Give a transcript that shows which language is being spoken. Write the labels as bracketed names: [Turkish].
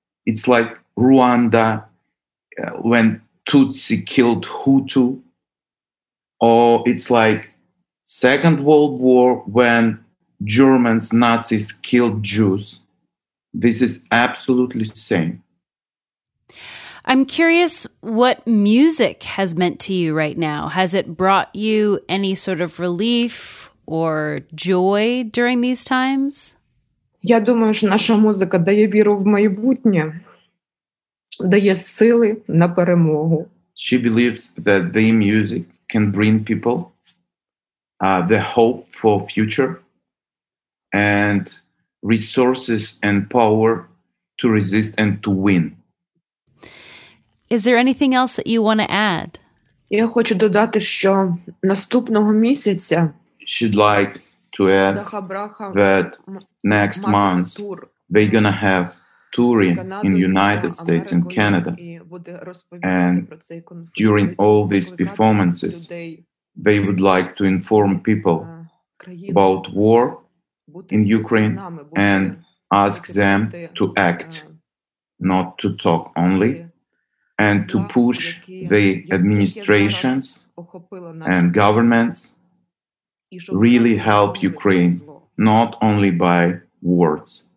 [English] It's like Rwanda when Tutsi killed Hutu, or it's like Second World War when Germans, Nazis killed Jews. This is absolutely the same. I'm curious what music has meant to you right now. Has it brought you any sort of relief or joy during these times? [Ukrainian] Я думаю, що наша музика дає віру в майбутнє, дає сили на перемогу. [English] She believes that the music can bring people the hope for future and resources and power to resist and to win. Is there anything else that you want to add? [Ukrainian] Я хочу додати, що наступного місяця [English] she'd like to add that next month they're going to have touring in United States and Canada. And during all these performances, they would like to inform people about war in Ukraine and ask them to act, not to talk only, and to push the administrations and governments really help Ukraine, not only by words.